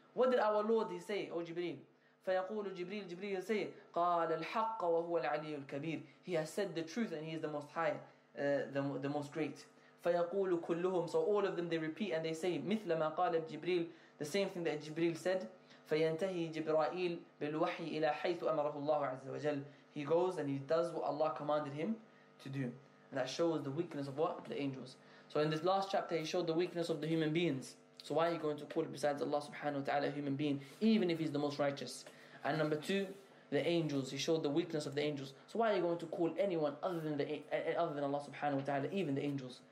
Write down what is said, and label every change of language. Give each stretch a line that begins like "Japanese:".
English: What did our Lord he say, O جبريل?
Arabic: فيقول جبريل, جبريل say, قال الحق وهو العلي الكبير.
English: He has said the truth and he is the most high, the most great.
Arabic: فيقول كلهم,
English: so all of them they repeat and they say,
Arabic: مثل ما قال جبريل,
English: the same thing that جبريل said. ف
Arabic: فينتهي جبرائيل بالوحي إلى حيث أمره الله عز وجل.
English: He goes and he does what Allah commanded him to do. And that shows the weakness of what? The angels. So in this last chapter, he showed the weakness of the human beings. So why are you going to call besides Allah subhanahu wa ta'ala a human being, even if he's the most righteous? And number two, the angels. He showed the weakness of the angels. So why are you going to call anyone other than Allah subhanahu wa ta'ala, even the angels?